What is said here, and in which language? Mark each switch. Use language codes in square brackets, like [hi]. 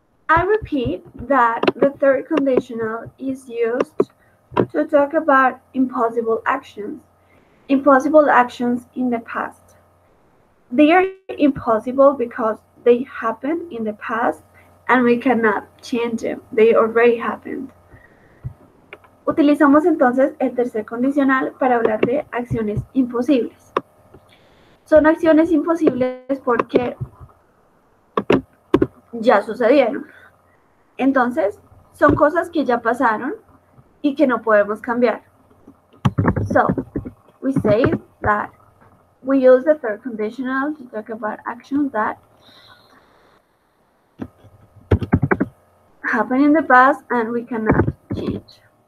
[en] I repeat that the third conditional is used to talk about impossible actions in the past. They are impossible because they happened in the past and we cannot change them. They already happened. [es] Utilizamos entonces el tercer condicional para hablar de acciones imposibles. Son acciones imposibles porque ya sucedieron. Entonces, son cosas que ya pasaron y que no podemos cambiar. [en] So, we say that we use the third conditional to talk about actions that happened in the past and we cannot change.